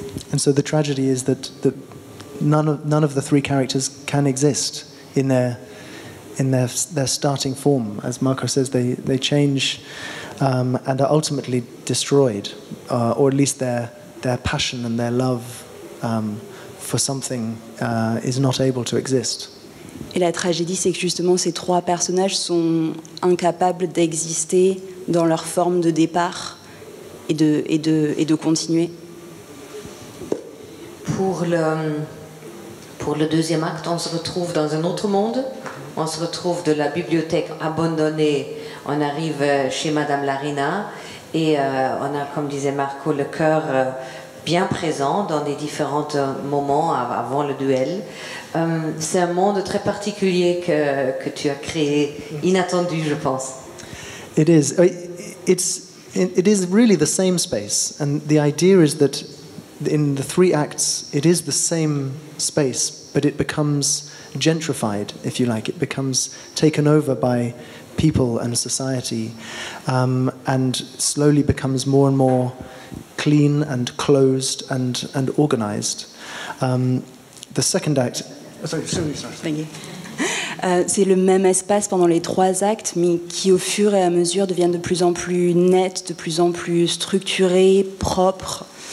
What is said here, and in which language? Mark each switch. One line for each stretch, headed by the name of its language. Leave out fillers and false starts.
English: And so the tragedy is that none of the three characters can exist in their starting form. As Marco says, they change and are ultimately destroyed, or at least their passion and their love for something is not able to exist.
French: Et la tragédie, c'est que justement ces trois personnages sont incapables d'exister dans leur forme de départ et de continuer. Pour le deuxième acte, on se retrouve dans un autre monde. On se retrouve de la bibliothèque abandonnée. On arrive chez Madame Larina et on a, comme disait Marco, le cœur bien présent dans les différents moments avant le duel. C'est un monde très particulier que tu as créé, inattendu, je pense.
English: It is. It is really the same space, and the idea is that in the three acts, it is the same space, but it becomes gentrified, if you like. It becomes taken over by people and society, and slowly becomes more and more clean and closed and organized. The second act. Thank you.
French: C'est le même espace pendant les trois actes, mais qui au fur et à mesure devient de plus en plus net, de plus en plus structuré, propre.